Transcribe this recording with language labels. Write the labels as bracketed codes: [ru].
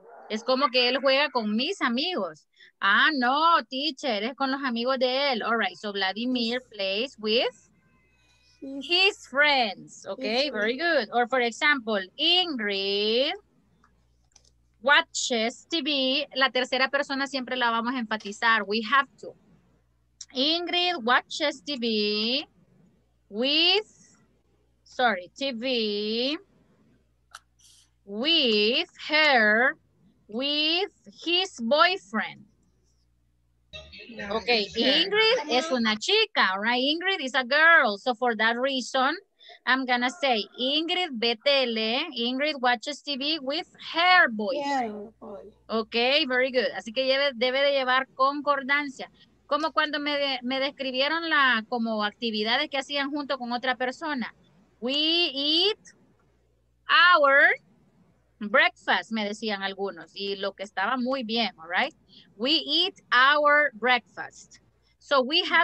[es] Es como que él juega con mis amigos. Ah, no, teacher, es con los amigos de él. [en] All right, so Vladimir plays with his friends. Okay, very good. Or for example, Ingrid watches TV. [es] La tercera persona siempre la vamos a enfatizar. [en] We have to. Ingrid watches TV with, sorry, TV with her, with his boyfriend. Okay, Ingrid [es] es una chica, [en] right? Ingrid is a girl. So for that reason, I'm gonna say [es] Ingrid ve tele, [en] Ingrid watches TV with her boyfriend. [es] Okay, very good. Así que debe de llevar concordancia. Como cuando me describieron la como actividades que hacían junto con otra persona. [en] We eat our breakfast, [es] me decían algunos, y lo que estaba muy bien, [en] all right? We eat our breakfast. So we have